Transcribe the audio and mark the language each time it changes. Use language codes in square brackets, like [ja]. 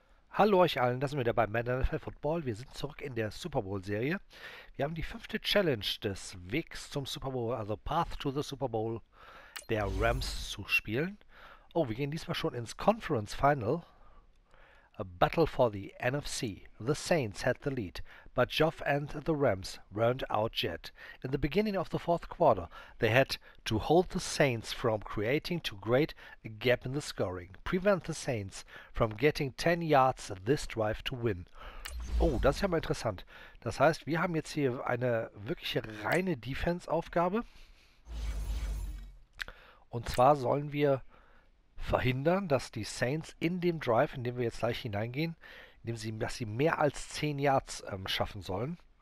[de] Hallo euch allen, das sind wir wieder beim NFL Football. Wir sind zurück in der Super Bowl-Serie. Wir haben die fünfte Challenge des Wegs zum Super Bowl, also Path to the Super Bowl der Rams zu spielen. Oh, wir gehen diesmal schon ins Conference Final. [en] A battle for the NFC. The Saints had the lead, but Goff and the Rams weren't out yet. In the beginning of the fourth quarter, they had to hold the Saints from creating too great a gap in the scoring. Prevent the Saints from getting 10 yards this drive to win. [de] Oh, das ist ja mal interessant. Das heißt, wir haben jetzt hier eine wirkliche reine Defense-Aufgabe. Und zwar sollen wir verhindern, dass die Saints in dem Drive, in dem wir jetzt gleich hineingehen, indem sie, dass sie mehr als 10 Yards schaffen sollen.